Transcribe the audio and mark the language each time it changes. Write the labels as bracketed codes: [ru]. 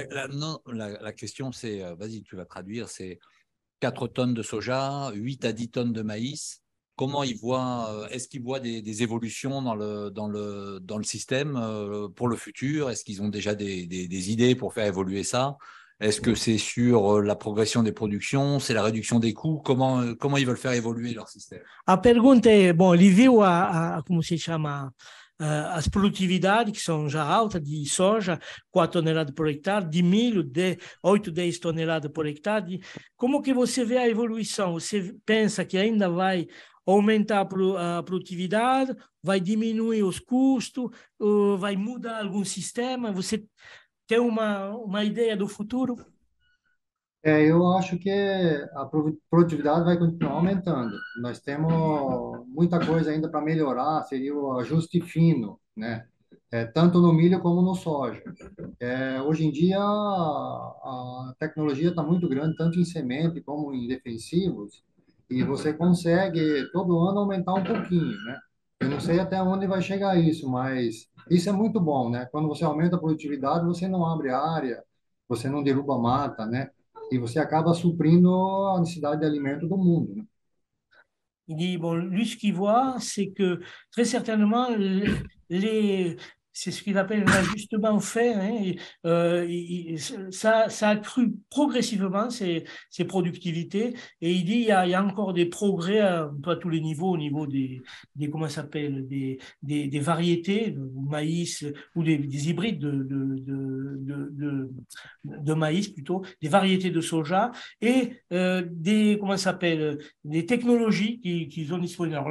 [fr] Non, la question, c'est, vas-y, tu vas traduire, c'est 4 tonnes de soja, 8 à 10 tonnes de maïs. Comment ils voient, est-ce qu'ils voient des évolutions dans le système pour le futur? Est-ce qu'ils ont déjà des idées pour faire évoluer ça? Est-ce que c'est sur la progression des productions, c'est la réduction des coûts? Comment ils veulent faire évoluer leur système? [pt] A pergunta é, bom, ele viu como se chama, as produtividades, que são já altas, de soja, 4 toneladas por hectare, de milho, de 8, 10 toneladas por hectare. Como que você vê a evolução? Você pensa que ainda vai aumentar a produtividade, vai diminuir os custos, vai mudar algum sistema? Você tem uma ideia do futuro? É, eu acho que a produtividade vai continuar aumentando. Nós temos muita coisa ainda para melhorar, seria o ajuste fino, né? É, tanto no milho como no soja. É, hoje em dia, a tecnologia está muito grande, tanto em semente como em defensivos, e você consegue todo ano aumentar um pouquinho, né? Eu não sei até onde vai chegar isso, mas isso é muito bom, né? Quando você aumenta a produtividade, você não abre área, você não derruba mata, né? E você acaba suprindo a necessidade de alimento do mundo, né? [fr] Il dit, bon, lui, ce qu'il voit, c'est que très certainement, c'est ce qu'il appelle un ajustement fait. Hein, ça a cru progressivement ses productivités. Et il dit, il y a encore des progrès à tous les niveaux, au niveau comment ça s'appelle, des variétés de maïs ou des hybrides de maïs plutôt, des variétés de soja et des comment s'appelle des technologies qu'ils ont disponibles.